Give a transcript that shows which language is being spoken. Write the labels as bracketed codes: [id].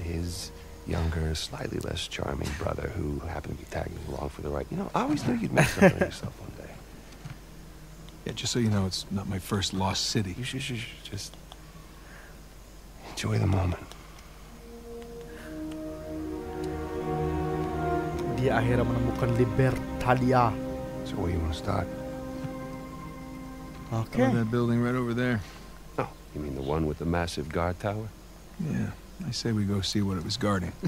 [en] his younger, slightly less charming brother who happened to be tagging along for the ride. You know, I always knew you'd make something of yourself one day. Yeah, just so you know, it's not my first lost city. You should just enjoy the moment. [id] Dia akhirnya menemukan Libertalia. [en] So where you want to start? Okay. That building right over there. Oh, you mean the one with the massive guard tower? Yeah, I say we go see what it was guarding.